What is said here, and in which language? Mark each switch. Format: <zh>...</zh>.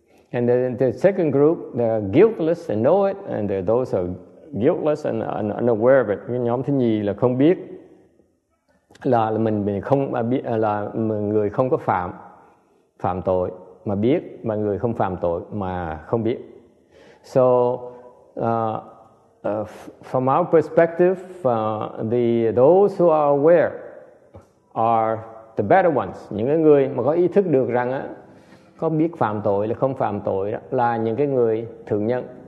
<en>And then the second group, they are guiltless and know it, and they're those who are guiltless and unaware of it.</en> <vi>Nhóm thứ nhì là không biết, là mình không biết, là người không có phạm tội mà biết, mà người không phạm tội mà không biết.</vi> <en>So from our perspective, those who are aware are the better ones.</en> <vi>Những cái người mà có ý thức được rằng á, có biết phạm tội là không phạm tội đó, là những cái người thượng nhân.</vi>